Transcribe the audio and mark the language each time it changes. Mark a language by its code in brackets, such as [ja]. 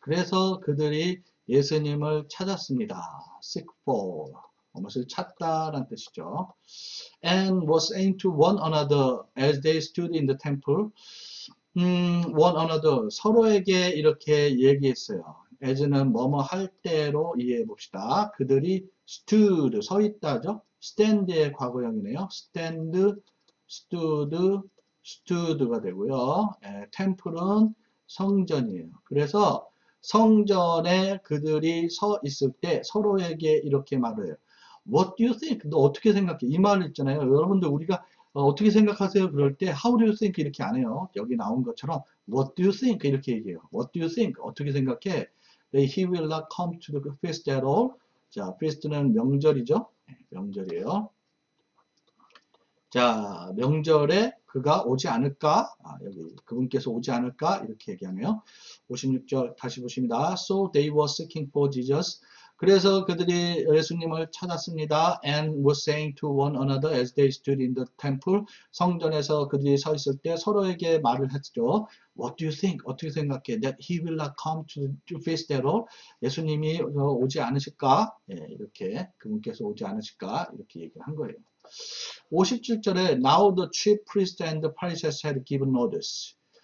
[ko] 그래서 그들이 예수님을 찾았습니다. [en] Seek for. [ko] 무엇을 찾다라는 뜻이죠. [en] And was saying to one another as they stood in the temple. [ko] One another 서로에게 이렇게 얘기했어요. As는 뭐뭐 할 때로 이해해 봅시다. 그들이 stood 서 있다죠. Stand의 과거형이네요. Stand, stood, stood가 되고요. 템플은 성전이에요. 그래서 성전에 그들이 서 있을 때 서로에게 이렇게 말을 해요. [en] What do you think? [ko] 너 어떻게 생각해? 이말 있잖아요. 여러분들 우리가 어떻게 생각하세요? 그럴 때 [en] How do you think? [ko] 이렇게 안 해요. 여기 나온 것처럼 [en] What do you think? [ko] 이렇게 얘기해요. [en] What do you think? [ko] 어떻게 생각해? [en] He will not come to the feast at all. [ko] 자, feast는 명절이죠. 명절이에요. 자, 명절에 그가 오지 않을까? 아, 여기 그분께서 오지 않을까? 이렇게 얘기하네요. 56절 다시 보십니다. [en] So they were seeking for Jesus. [ko] 그래서 그들이 예수님을 찾았습니다. [en] And were saying to one another as they stood in the temple. [ko] 성전에서 그들이 서 있을 때 서로에게 말을 했죠. [en] What do you think? [ko] 어떻게 생각해? [en] That he will not come to feast at all. [ko] 예수님이 오지 않으실까? 예, 이렇게 그분께서 오지 않으실까? 이렇게 얘기를 한 거예요. [en] 57절에 Now the chief priest and the Pharisees had given orders.